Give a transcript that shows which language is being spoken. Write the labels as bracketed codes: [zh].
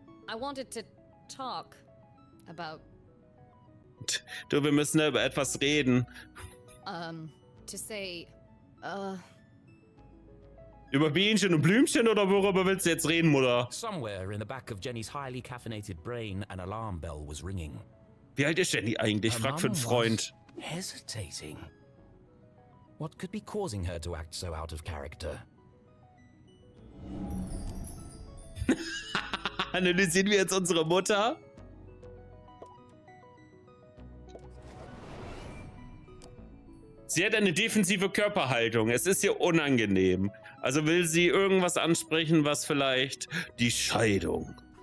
[en] I wanted to talk about... [de] Du, wir müssen über etwas reden. [en] To say, [de] Über Bienchen und Blümchen oder worüber willst du jetzt reden, Mutter? [en] Somewhere in the back of Jenny's highly caffeinated brain, an alarm bell was ringing. [de] Wie alt ist Jenny eigentlich? Frag für einen Freund. [en] Hesitating. What could be causing her to act so out of character? [de] Analysieren wir jetzt unsere Mutter? Sie hat eine defensive Körperhaltung. Es ist ihr unangenehm. Also will sie irgendwas ansprechen, was vielleicht die Scheidung.